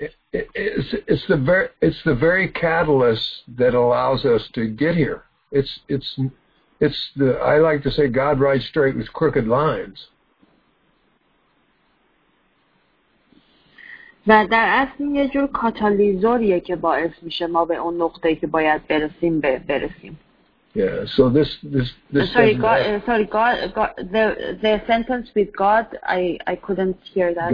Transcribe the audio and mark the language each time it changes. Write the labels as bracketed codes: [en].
[en] It's the very catalyst that allows us to get here. It's the I like to say God rides straight with crooked lines. [fa] و در اصل یه جور کاتالیزوریه که باعث میشه ما به اون نقطه‌ای که باید برسیم برسیم. [en] Yeah. So this. The sentence with God, I couldn't hear that.